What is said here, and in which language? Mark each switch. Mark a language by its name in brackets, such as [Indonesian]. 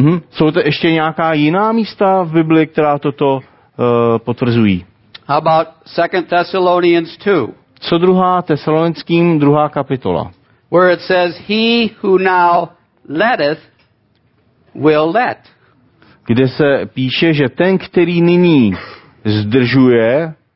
[Czech] Jsou to ještě nějaká jiná místa v Bibli, která toto potvrzují? [English] How about 2 Thessalonians 2? [Czech] Co druhá Tesalonickým, druhá kapitola? [English] Where it says, "He who now letteth will let." [Czech] Kde se píše, že ten, který nyní zdržuje.